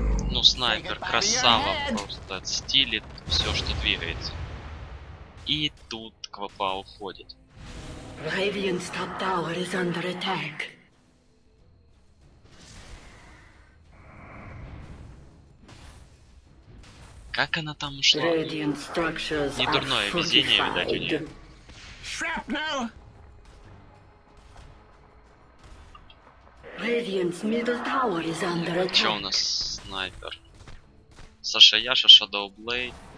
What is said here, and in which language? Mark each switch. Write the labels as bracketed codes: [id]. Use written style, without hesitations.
[ru] Ну, снайпер красава просто отстилит все, что двигается. И тут Квапа уходит. [en] Radiant's top tower is under attack. [ru] Как она там ушла? Недурное везение, видать, у нее. [en] Shrapnel! Radiant's middle tower is under attack. [ru] Что у нас снайпер? Саша Яша, Shadow Blade.